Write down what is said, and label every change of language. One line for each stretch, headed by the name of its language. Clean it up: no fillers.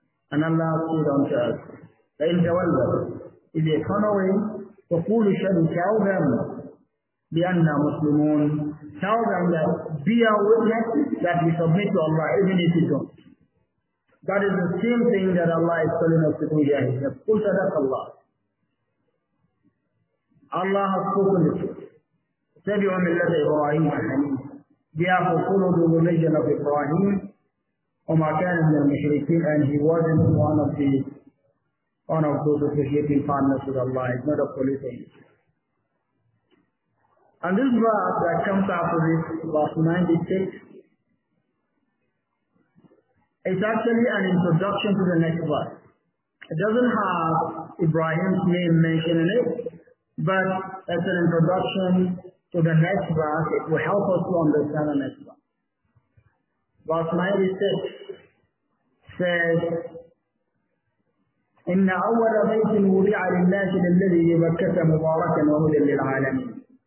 English: And Allah said unto us,
Arabic: فَإِنْ تَوَلَّوْا,
English: if they turn away,
Arabic: فَقُولُوا شَهِدُوا,
English: tell them,
Arabic: بِأَنَّا مُسْلِمُونَ,
English: tell them that be a witness that we submit to Allah, even if you don't. That is the same thing that Allah is telling us to do here. He says,
Arabic: قُلْ صَدَقَ اللَّهُ,
English: Allah has spoken the truth.
Arabic: تبعوا ملة إبراهيم حنيفا.
English: Therefore, follow the religion of Ibrahim,
Arabic: وما كان من المشركين,
English: and he wasn't one of those associating partners with Allah, he's not a polytheist. And this verse that comes after this, verse 96, is actually an introduction to the next verse. It doesn't have Ibrahim's name mentioned in it, but as an introduction to the next verse, it will help us to understand the next verse. Verse 96 says,
Arabic: إِنَّ أَوَّلَ بَيْتٍ وُضِعَ لِلَّهِ لِلَّذِي بِبَكَّةَ مُبَارَكًا وَهُدًى لِلْعَالَمِينَ.